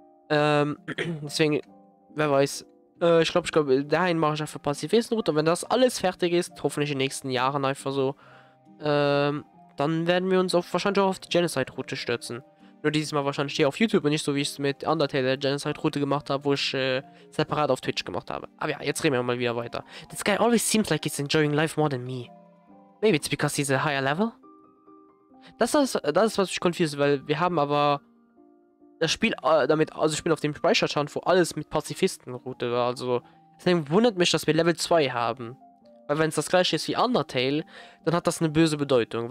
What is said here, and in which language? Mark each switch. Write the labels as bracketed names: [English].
[German] Deswegen, wer weiß. Ich glaube, dahin mache ich einfach Pazifisten-Route. Und wenn das alles fertig ist, hoffentlich in den nächsten Jahren einfach so, dann werden wir uns wahrscheinlich auch auf die Genocide-Route stürzen. Nur dieses Mal wahrscheinlich hier auf YouTube und nicht so, wie ich es mit Undertale der Genocide-Route gemacht habe, wo ich separat auf Twitch gemacht habe. Aber ja, jetzt reden wir mal wieder weiter. [English] This guy always seems like he's enjoying life more than me. Maybe it's because he's a higher level? [German] Das ist, was mich confused, weil wir haben aber das Spiel damit, also ich bin auf dem Speicherstand, wo alles mit Pazifisten-Route war, also deswegen wundert mich, dass wir Level 2 haben. Weil wenn es das gleiche ist wie Undertale, dann hat das eine böse Bedeutung.